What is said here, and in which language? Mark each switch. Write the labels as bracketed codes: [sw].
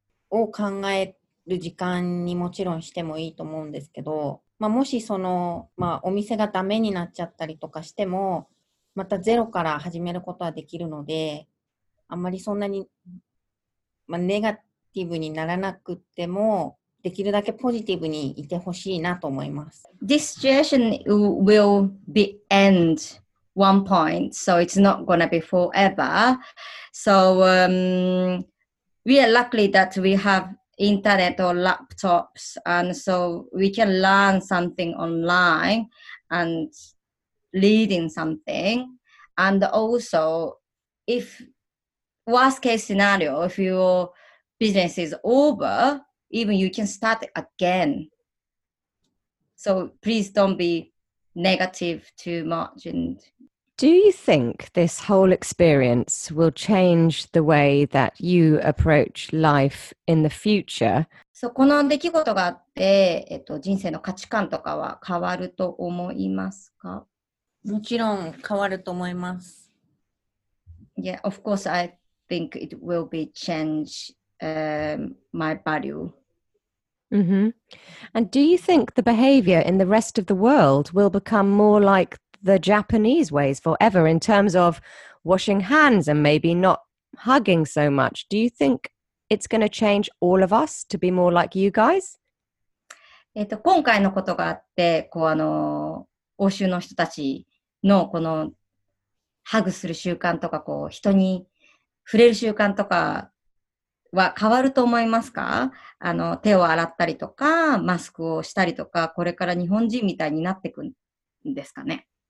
[ja] を考える時間にもちろんしてもいいと思うんですけど、まあ、もしお店がダメになっちゃったりとかしても、またゼロから始めることはできるので、あんまりそんなに、まあ、ネガティブにならなくてもできるだけポジティブにいてほしいなと思います。 [en] This situation will be endone point, so it's not gonna be forever. So we are lucky that we have internet or laptops, and so we can learn something online and reading something. And also, if worst case scenario, if your business is over, even you can start again. So please don't be negative too much and Do you think this whole experience will change the way that you approach life in the future? [ja] So, この出来事があって、人生の価値観とかは変わると思いますか？もちろん変わると思います。 [en] Yeah, of course, I think it will be change my value. Mm-hmm. And do you think the behavior in the rest of the world will become more likethe Japanese ways forever in terms of washing hands and maybe not hugging so much? Do you think it's going to change all of us to be more like you guys? [ja] 今回のことがあって、こう欧州の人たちのこのハグする習慣とか、こう人に触れる習慣とかは変わると思いますか？手を洗ったりとか、マスクをしたりとか、これから日本人みたいになっていくんですかね？